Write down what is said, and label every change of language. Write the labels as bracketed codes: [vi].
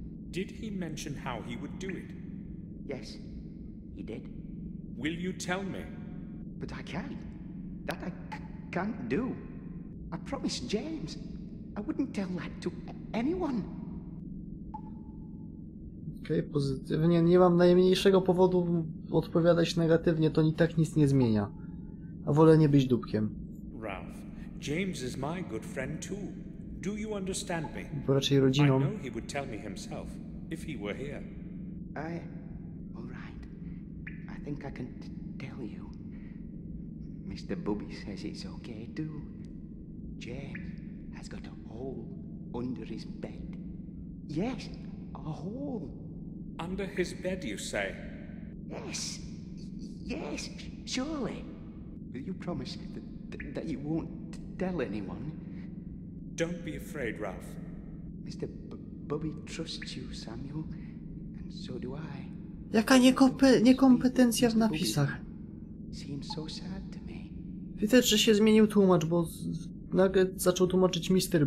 [en] Did he mention how he would do it? Yes, he did. Will you tell me? But I can't. That I can't do. I promised James. I wouldn't tell that to anyone. [pl] Okej, pozytywnie. Nie mam najmniejszego powodu odpowiadać negatywnie. To i tak nic nie zmienia. A wolę nie być dupkiem. [en] Ralph, James is my good friend too. Do you understand me? [pl] Bo raczej rodziną. [en] I know he would tell me himself, if he were here. Alright. I think I can tell you. Mr. Booby says it's okay too. James has got a hole under his bed. Yes, a hole. Under his bed, you say? Yes. Yes, surely. Will you promise that you won't tell anyone? Don't be afraid, Ralph. Mr. Bobby trusts you, Samuel, and so do I. [pl] Jaka niekompetencja w napisach. [en] Seems so sad to me. [pl] Widać, że się zmienił tłumacz, bo nagle zaczął tłumaczyć Mr.